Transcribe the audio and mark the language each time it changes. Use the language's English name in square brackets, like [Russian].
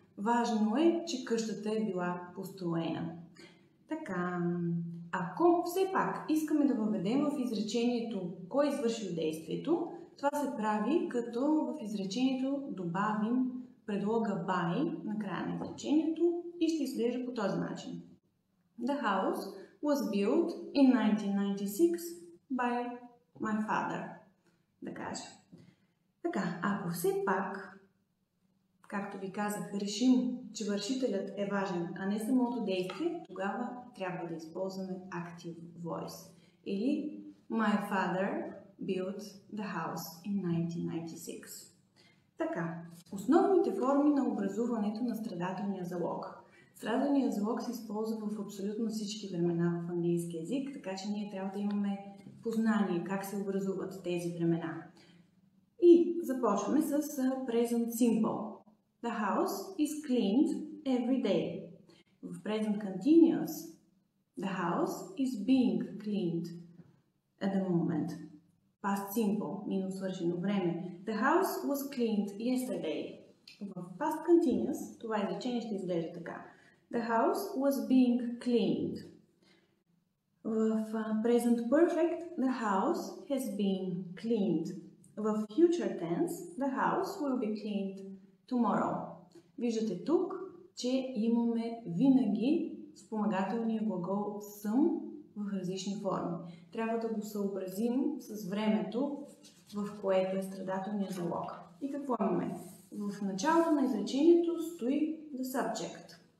[Bulgarian] Важно е, че къщата е била построена. Така, ако все пак искаме да въведем в изречението кой е извършил действието, това се прави като в изречението добавим предлога by на края на изречението и ще изглежда по този начин. [English] The house was built in 1996 by my father. [Bulgarian] Да кажа. Така, ако все пак, както ви казах, решим, че вършителят е важен, а не самото действие, тогава трябва да използваме Active Voice. Или [English] My father built the house in 1996. [Bulgarian] Така, основните форми на образуването на страдателния залог. Страдателният залог се използва в абсолютно всички времена в английски език, така че ние трябва да имаме познание как се образуват тези времена. И започваме с Present Simple. [English] The house is cleaned every day. [Bulgarian] В [English] present continuous, the house is being cleaned at the moment. [Bulgarian] Past simple, минало свършено време. [English] The house was cleaned yesterday. [Bulgarian] В past continuous, това изречение ще изглежда така. [English] The house was being cleaned. [Bulgarian] В [English] present perfect, the house has been cleaned. [Bulgarian] В [English] future tense, the house will be cleaned tomorrow. [Bulgarian] Виждате тук, че имаме винаги спомагателния глагол съм в различни форми. Трябва да го съобразим с времето, в което е страдателният залог. И какво имаме? В началото на изречението стои [English] the subject.